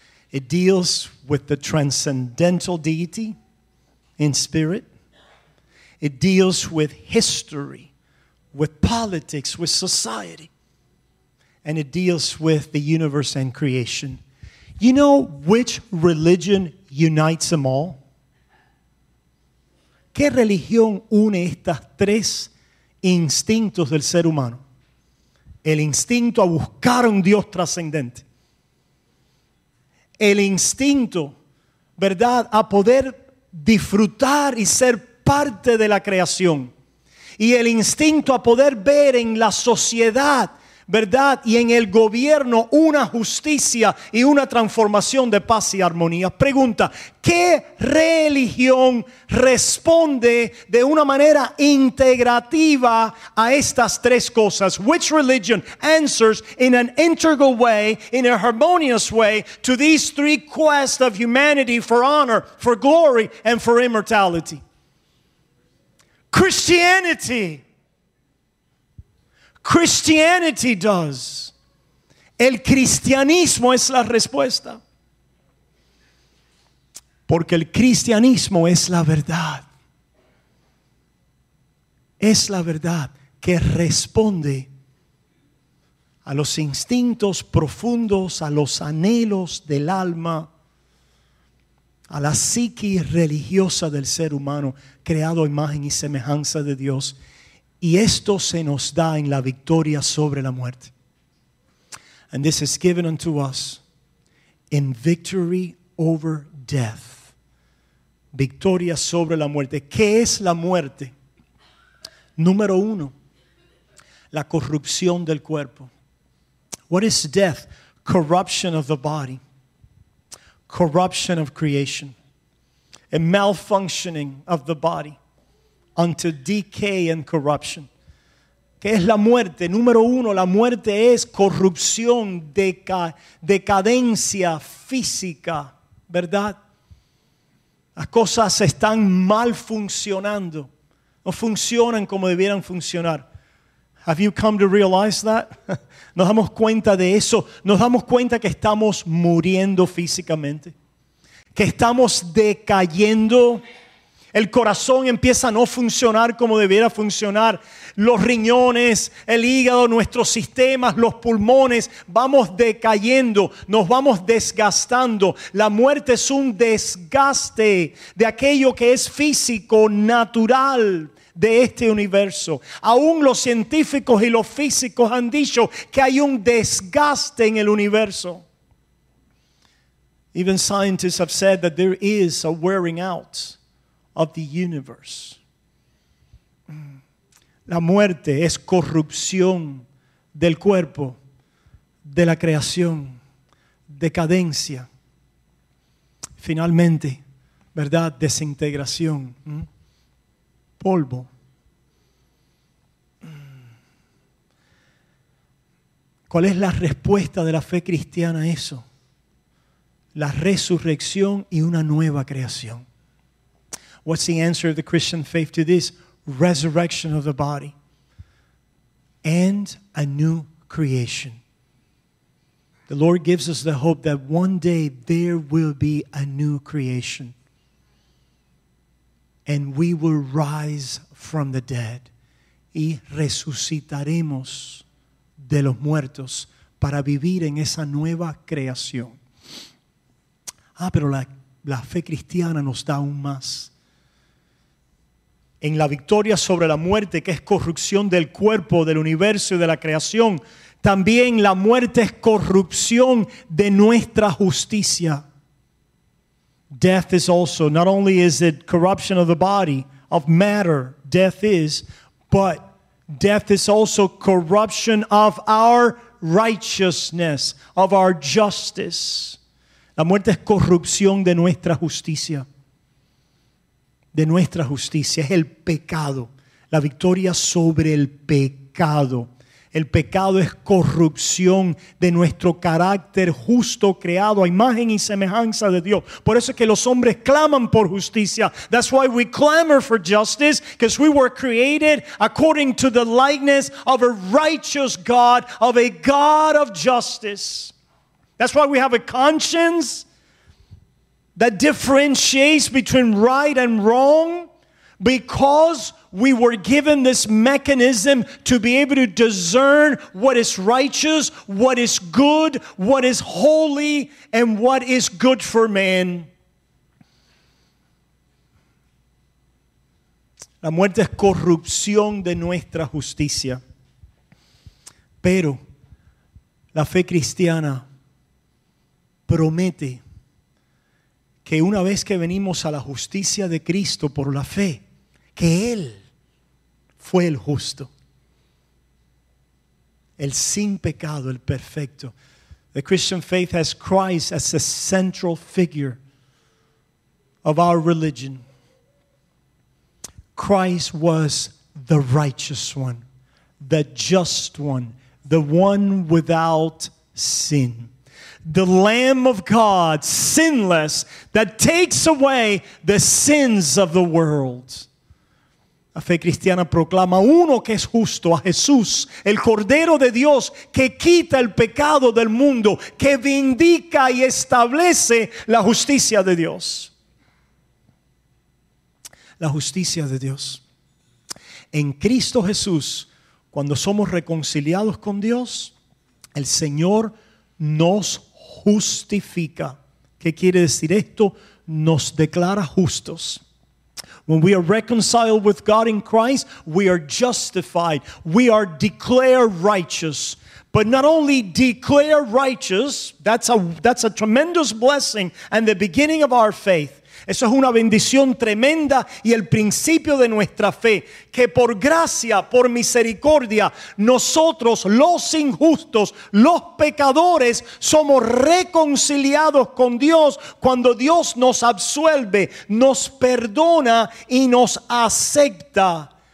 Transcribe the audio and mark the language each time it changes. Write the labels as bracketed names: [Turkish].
[English] It deals with the transcendental deity in spirit. It deals with history, with politics, with society. And it deals with the universe and creation. You know which religion unites them all? [Spanish] ¿Qué religión une estas tres instintos del ser humano? El instinto a buscar un Dios trascendente. El instinto, ¿verdad?, a poder disfrutar y ser parte de la creación. Y el instinto a poder ver en la sociedad, ¿verdad? Y en el gobierno una justicia y una transformación de paz y armonía. Pregunta, ¿qué religión responde de una manera integrativa a estas tres cosas? [English] Which religion answers in an integral way, in a harmonious way, to these three quests of humanity for honor, for glory, and for immortality? Christianity. Christianity does. [Spanish] El cristianismo es la respuesta. Porque el cristianismo es la verdad. Es la verdad que responde a los instintos profundos, a los anhelos del alma, a la psique religiosa del ser humano, creado a imagen y semejanza de Dios. Y esto se nos da en la victoria sobre la muerte. [English] And this is given unto us in victory over death. [Spanish] Victoria sobre la muerte. ¿Qué es la muerte? Número uno, la corrupción del cuerpo. [English] What is death? Corruption of the body. Corruption of creation. A malfunctioning of the body. Unto decay and corruption. [Spanish] ¿Qué es la muerte? Número uno, la muerte es corrupción, decadencia física, ¿verdad? Las cosas están mal funcionando. No funcionan como debieran funcionar. [English] Have you come to realize that? [Spanish] Nos damos cuenta de eso. Nos damos cuenta que estamos muriendo físicamente. Que estamos decayendo. El corazón empieza a no funcionar como debiera funcionar. Los riñones, el hígado, nuestros sistemas, los pulmones, vamos decayendo, nos vamos desgastando. La muerte es un desgaste de aquello que es físico, natural de este universo. Aún los científicos y los físicos han dicho que hay un desgaste en el universo. [English] Even scientists have said that there is a wearing out of the universe. [Spanish] La muerte es corrupción del cuerpo, de la creación, decadencia. Finalmente, ¿verdad? Desintegración. Polvo. ¿Cuál es la respuesta de la fe cristiana a eso? La resurrección y una nueva creación. [English] What's the answer of the Christian faith to this? Resurrection of the body and a new creation. The Lord gives us the hope that one day there will be a new creation and we will rise from the dead [Spanish] y resucitaremos de los muertos para vivir en esa nueva creación. Ah, pero la fe cristiana nos da aún más. En la victoria sobre la muerte, que es corrupción del cuerpo, del universo y de la creación, también la muerte es corrupción de nuestra justicia. [English] Death is also, not only is it corruption of the body, of matter, death is, but death is also corruption of our righteousness, of our justice. [Spanish] La muerte es corrupción de nuestra justicia. De nuestra justicia, es el pecado, la victoria sobre el pecado. El pecado es corrupción de nuestro carácter justo, creado a imagen y semejanza de Dios. Por eso es que los hombres claman por justicia. [English] That's why we clamor for justice, because we were created according to the likeness of a righteous God, of a God of justice. That's why we have a conscience that differentiates between right and wrong, because we were given this mechanism to be able to discern what is righteous, what is good, what is holy, and what is good for man. [Spanish] La muerte es corrupción de nuestra justicia. Pero la fe cristiana promete que una vez que venimos a la justicia de Cristo por la fe, que Él fue el justo, el sin pecado, el perfecto. [English] The Christian faith has Christ as the central figure of our religion. Christ was the righteous one, the just one, the one without sin. The Lamb of God, sinless, that takes away the sins of the world. [Spanish] La fe cristiana proclama uno que es justo, a Jesús, el Cordero de Dios, que quita el pecado del mundo, que vindica y establece la justicia de Dios. La justicia de Dios. En Cristo Jesús, cuando somos reconciliados con Dios, el Señor nos justifica. ¿Qué quiere decir esto? Nos declara justos. [English] When we are reconciled with God in Christ, we are justified. We are declared righteous. But not only declared righteous, that's a tremendous blessing and the beginning of our faith. [Spanish] Eso es una bendición tremenda y el principio de nuestra fe. Que por gracia, por misericordia, nosotros los injustos, los pecadores, somos reconciliados con Dios cuando Dios nos absuelve, nos perdona y nos acepta